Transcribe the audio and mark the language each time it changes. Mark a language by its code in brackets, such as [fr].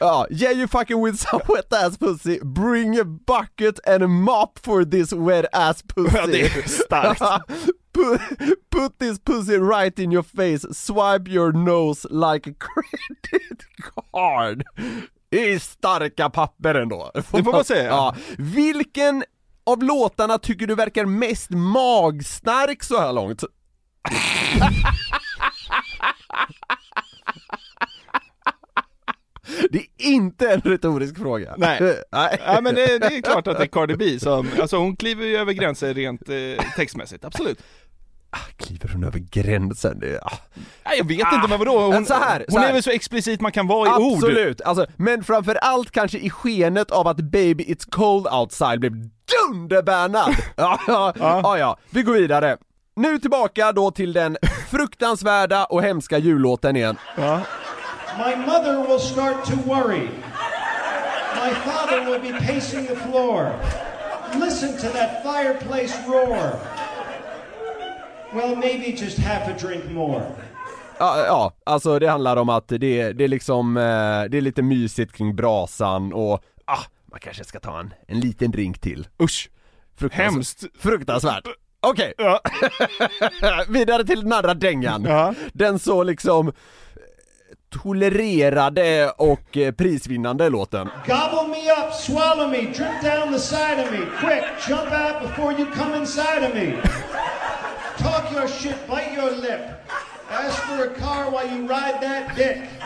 [en] Yeah, you fucking with some wet ass pussy. Bring a bucket and a mop for this wet ass pussy. [sv] Det är starkt. [en] Put this pussy right in your face. Swipe your nose like a credit card. [sv] Det är starka papper ändå. Det får man säga. Ja. Vilken av låtarna tycker du verkar mest magstark så här långt? Det är inte en retorisk fråga. Nej. Nej, men det är klart att det är Cardi B som... Alltså hon kliver ju över gränser rent textmässigt, absolut. Kliver hon över gränsen? Det, ja. Nej, jag vet inte, men vadå? Hon är väl så explicit man kan vara i absolut. Ord? Absolut, alltså, men framförallt kanske i skenet av att Baby It's Cold Outside blev dunderbannad. Ja. Vi går vidare. Nu tillbaka då till den fruktansvärda och hemska jullåten igen. Ja. [en] My mother will start to worry. My father will be pacing the floor. Listen to that fireplace roar. Well, maybe just half a drink more. [sv] Ja, alltså det handlar om att det är liksom det är lite mysigt kring brasan och man kanske ska ta en liten drink till. Usch, hemskt. Fruktansvärt. Okej. Okay. Ja. Vidare till den andra dängan. Ja. Den så liksom tolererade och prisvinnande låten. [en] Gobble me up, swallow me, drip down the side of me. Quick, jump out before you come inside of me. Talk your shit, bite your lip. Ask for a car while you ride that dick.